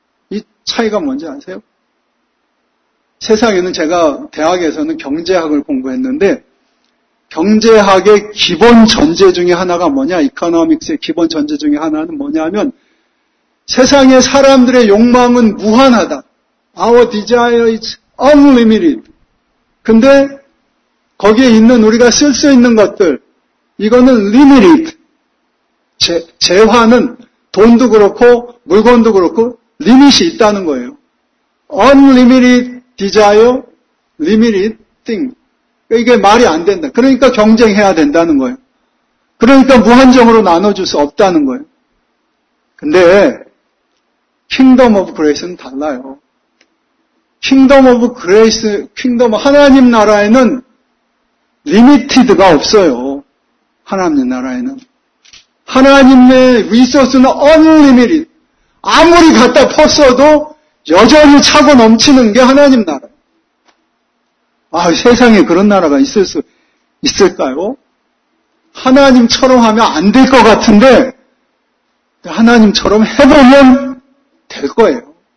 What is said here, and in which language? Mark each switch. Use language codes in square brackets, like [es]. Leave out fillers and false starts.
[ko] 이 차이가 뭔지 아세요? 세상에는 제가 대학에서는 경제학을 공부했는데 경제학의 기본 전제 중에 하나가 뭐냐? 이코노믹스의 기본 전제 중에 하나는 뭐냐면 세상의 사람들의 욕망은 무한하다. [en] Our desire is unlimited. [ko] 근데 거기에 있는 우리가 쓸 수 있는 것들 이거는 [en] limited. [ko] 재화는 돈도 그렇고 물건도 그렇고 리밋이 있다는 거예요. [en] Unlimited desire, limited thing. [ko] 이게 말이 안 된다. 그러니까 경쟁해야 된다는 거예요. 그러니까 무한정으로 나눠줄 수 없다는 거예요. 근데 [en] Kingdom of Grace [ko] 는 달라요. [en] Kingdom of Grace, Kingdom [ko] 하나님 나라에는 limited가 없어요. 하나님 나라에는. 하나님의 리소스는 [en] unlimited. [ko] 아무리 갖다 퍼써도 여전히 차고 넘치는 게 하나님 나라. 아, 세상에 그런 나라가 있을 수 있을까요? 하나님처럼 하면 안 될 것 같은데 하나님처럼 해보면 될 거예요.